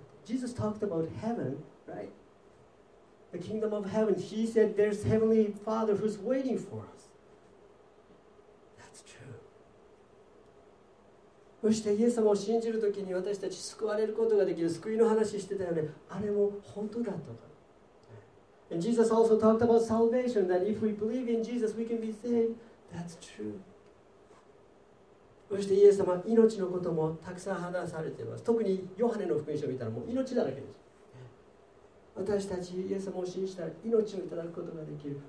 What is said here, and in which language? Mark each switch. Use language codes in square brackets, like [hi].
[en] Jesus talked about heaven, right? The kingdom of heaven. He said there's heavenly father who's waiting for us. That's true. [ja] そしてイエス様を信じるときに私たち救われることができる、救いの話してたよね。あれも本当だとか。 [en] And Jesus also talked about salvation, that if we believe in Jesus, we can be saved. That's true. [ja] そしてイエス様、命のこともたくさん話されています。特にヨハネの福音書を見たらもう命だらけです。私たちイエス様を信じたら命をいただくことができる。